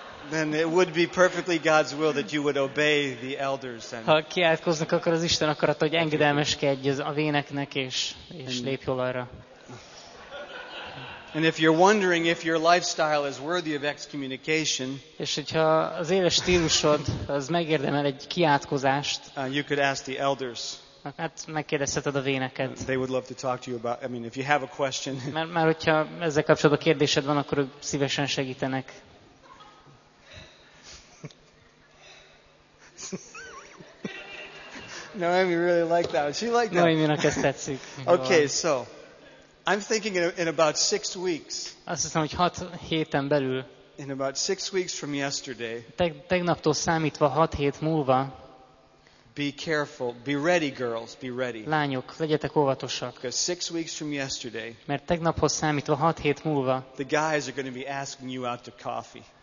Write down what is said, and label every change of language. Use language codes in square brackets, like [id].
[en] Then it would be perfectly God's will that you would obey the elders. [hu] Ha kiátkoznak, akkor az Isten akarata, hogy engedelmeskedj a véneknek, és lépj jól arra. [en] And if you're wondering if your lifestyle is worthy of excommunication, [hu] és hogyha az éles stílusod az megérdemel egy kiátkozást, [en] you could ask the elders. [hu] Hát megkérdezheted a véneket. [en] They would love to talk to you about. I mean, if you have a question. [hu] Mert hogyha ezzel kapcsolatban kérdésed van, akkor ők szívesen segítenek. [en] Noemi really liked that. She liked that. [hu] Noemi-nak ezt tetszik. [en] Okay, so I'm thinking in about 6 weeks. [hu] Azt hiszem, hogy 6 héten belül. [en] In about 6 weeks from yesterday. [hu] Tegnaptól számítva 6 hét múlva. [en] Be careful. Be ready, girls. Be ready. [hu] Lányok, legyetek óvatosak. [en] Because 6 weeks from yesterday. [hu] Mert tegnaphoz számítva 6 hét múlva. [en] The guys are going to be asking you out to coffee.